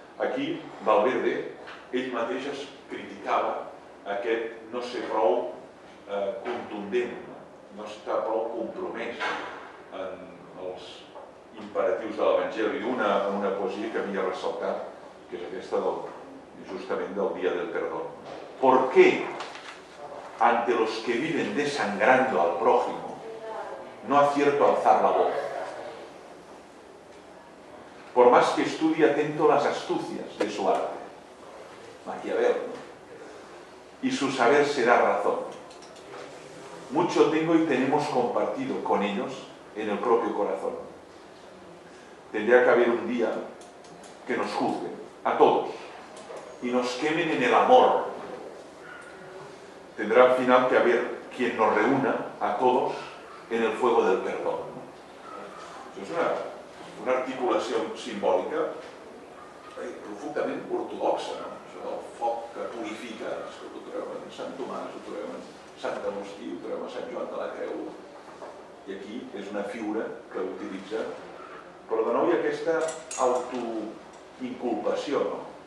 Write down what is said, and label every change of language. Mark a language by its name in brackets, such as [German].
[Catalan] Aquí, Valverde, ell mateix es criticava aquest no ser prou contundent, no estar prou compromès en els imperatius de l'Evangeli. Una poesia que m'hi ha ressaltat, que és aquesta del... justament del dia del perdó. [Spanish] ¿Por qué ante los que viven desangrando al prójimo no acierto a alzar la voz? Por más que estudie atento las astucias de su arte, Maquiavel, ¿no? Y su saber será razón. Mucho tengo y tenemos compartido con ellos en el propio corazón. Tendría que haber un día que nos juzgue a todos y nos quemen en el amor. Tendrá al final que haber quien nos reúna a todos en el fuego del perdón. [Catalan] Això és una articulació simbòlica profundament ortodoxa, no? Això del foc que purifica, que ho trobem en Sant Tomàs, ho trobem en Sant Agustí, ho trobem a Sant Joan de la Creu, i aquí és una figura que utilitza, però de nou hi ha aquesta autoinculpació, no?